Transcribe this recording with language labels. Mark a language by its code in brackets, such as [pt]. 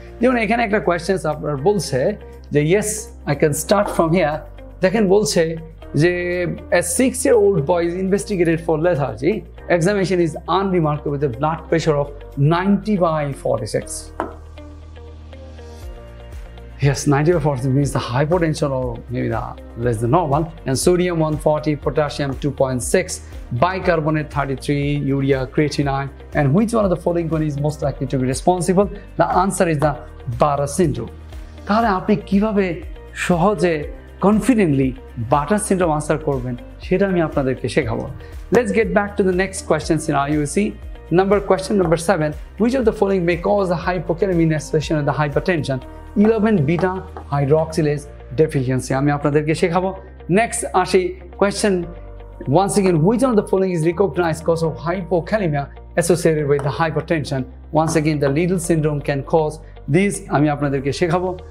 [bn] যেমন এখানে একটা কোয়েশ্চেন্স আপনার বলছে যে [en] Yes I can start from here, দেখেন বলছে যে six year old boy is investigated for lethargy, examination is unremarkable with a blood pressure of 90/46। Yes, 90/46 means the hypotension or maybe the less than normal, and sodium 140, potassium 2.6, bicarbonate 33, urea, creatinine, and which one of the following one is most likely to be responsible? The answer is the Bartter syndrome. [bn] তাহলে আপনি কিভাবে সহজে confidently butter syndrome answer করবেন সেটা আমি আপনাদেরকে শেখাবো। [en] Let's get back to the next question scenario. You see, question number 7, which of the following may cause the hypokalemia in association with the hypertension? [bn] 11 beta hydroxylase deficiency আমি আপনাদেরকে শেখাবো। [en] next আসি question, once again, which of the following is recognised cause of hypokalemia associated with hypertension, once again the Liddle syndrome can cause this [bn] আমি আপনাদেরকে শেখাবো।